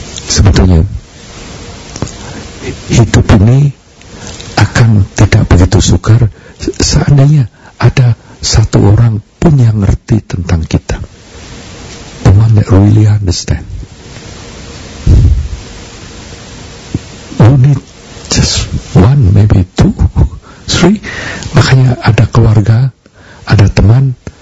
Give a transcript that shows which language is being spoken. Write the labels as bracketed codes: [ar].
[id] Sebetulnya hidup ini akan tidak begitu sukar seandainya ada satu orang pun yang ngerti tentang kita. [en] The one that really understand. You need just one, maybe two, three. [id] Makanya ada keluarga, ada teman.